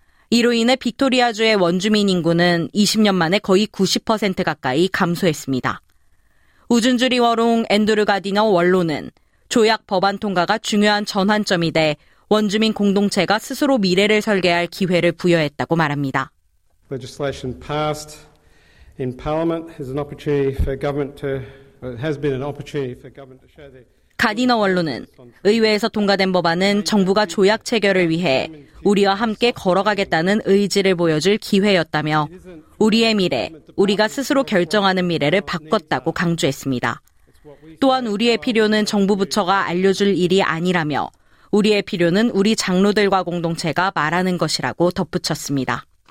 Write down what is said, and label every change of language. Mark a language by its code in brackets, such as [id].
[ko] 이로 인해 빅토리아주의 원주민 인구는 20년 만에 거의 90% 가까이 감소했습니다. 우준주리 워롱 앤드류 가디너 원로는 조약 법안 통과가 중요한 전환점이 돼 원주민 공동체가 스스로 미래를 설계할 기회를 부여했다고 말합니다. [en] Legislation passed in Parliament has an opportunity for government to has been an opportunity for government to show the [ko] 가디너 원로는 의회에서 통과된 법안은 정부가 조약 체결을 위해 우리와 함께 걸어가겠다는 의지를 보여줄 기회였다며 우리의 미래, 우리가 스스로 결정하는 미래를 바꿨다고 강조했습니다. 또한 우리의 필요는 정부 부처가 알려줄 일이 아니라며 우리의 필요는 우리 장로들과 공동체가 말하는 것이라고 덧붙였습니다.